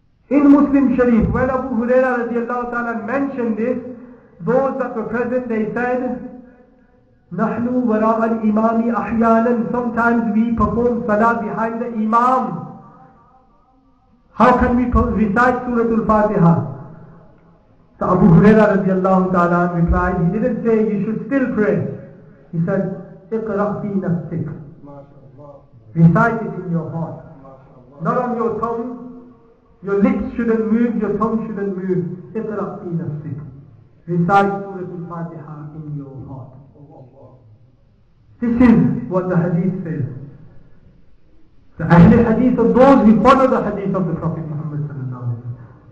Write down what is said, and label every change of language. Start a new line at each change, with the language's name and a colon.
English: In Muslim Sharif, when Abu Huraira radiallahu ta'ala mentioned this, those that were present, they said,
Arabic: نَحْنُ وَرَاءَ الْإِمَامِ أَحْيَانًا.
English: Sometimes we perform Salah behind the Imam. How can we recite Surah Al-Fatiha? So Abu Huraira radiallahu ta'ala replied, he didn't say you should still pray. He said,
Arabic: اِقْرَأْ فِي نَفْسِكَ.
English: Recite it in your heart. Not on your tongue. Your lips shouldn't move, your tongue shouldn't move.
Arabic: Iqra' fi nafsik.
English: Recite Surah Al-Fatiha in your heart. This is what the hadith says. The Ahl al-Hadith of those who follow the hadith of the Prophet Muhammad sallallahu alayhi wa sallam.